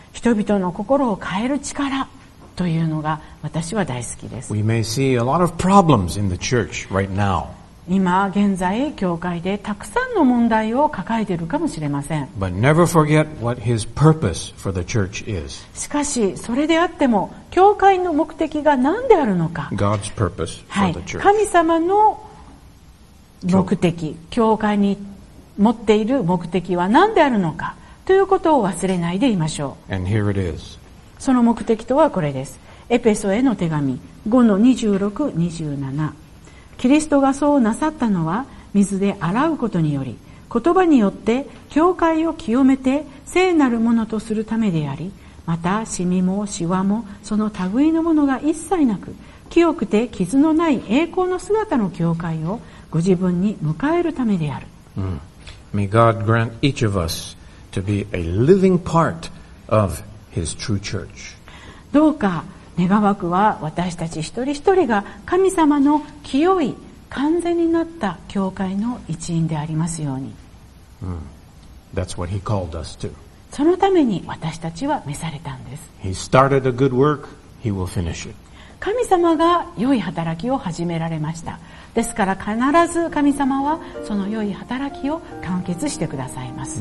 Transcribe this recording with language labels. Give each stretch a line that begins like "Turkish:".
Japanese: 人々の心を変える力というのが私は大好きです。
English: We may see a lot of problems in the church right now.
Japanese: 今現在教会でたくさんの問題を抱えているかもしれません。
English: But never forget what his purpose for the church is.
Japanese: しかしそれであっても教会の目的が何であるのか。
English: God's purpose for the church.
Japanese: 神様の目的、教会に持っている目的は何であるのかということを忘れないでいましょう。
English: And here it is.
Japanese: その目的とはこれです。エペソへの手紙 5-26-27。キリストがそうなさったのは水で洗うことにより、言葉によって教会を清めて聖なるものとするためであり、またシミもシワもその類のものが一切なく、清くて傷のない栄光の姿の教会をご自分に迎えるためである。
English: May God grant each of us to be a living part of His true church.
Japanese: どうか願わくは私たち一人一人が神様の清い完全になった教会の一員でありますように。
English: That's what He called us to.
Japanese: そのために私たちは召されたんです。
English: He started a good work, he will finish it.
Japanese: 神様が良い働きを始められました。ですから必ず神様はその良い働きを完結してくださいます。